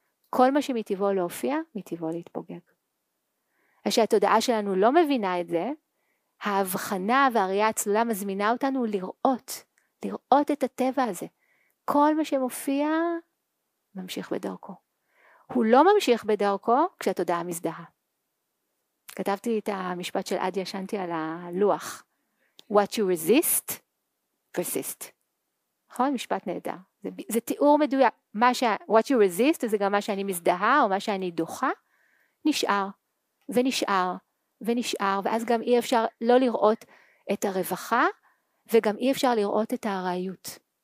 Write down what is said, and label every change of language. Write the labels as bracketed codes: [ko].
[he] כל מה שמטיבו להופיע, מטיבו להתפוגג. כשהתודעה שלנו לא מבינה את זה, ההבחנה והראייה הצלולה מזמינה אותנו לראות, לראות את הטבע הזה. כל מה שמופיע, ממשיך בדרכו. הוא לא ממשיך בדרכו כשהתודעה מזדהה. כתבתי את המשפט של עדיה שנתי על הלוח. [en] What you resist, persist. [he] נכון? משפט נהדר. זה תיאור מדויק. מה [en] what you resist, [he] זה גם מה שאני מזדהה או מה שאני דוחה, נשאר. ונשאר, ונשאר, ואז גם אי אפשר לא לראות את הרווחה, וגם אי אפשר לראות את הארעיות.